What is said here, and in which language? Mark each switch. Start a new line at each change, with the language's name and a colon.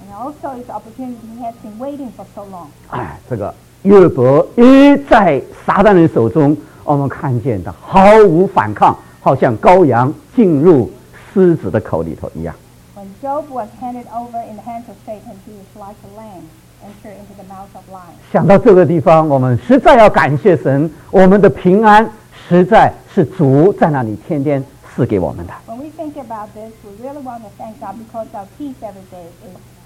English: Also, his opportunity has been waiting for so long.
Chinese: 哎，这个约伯一在撒旦的手中，我们看见他毫无反抗，好像羔羊进入狮子的口里头一样。
English: When Job was handed over in the hands of Satan, he was like a lamb entering into the mouth of lions.
Chinese: 想到这个地方，我们实在要感谢神，我们的平安实在是主在那里天天赐给我们的。
English: When we think about this, we really want to thank God because our peace every day is.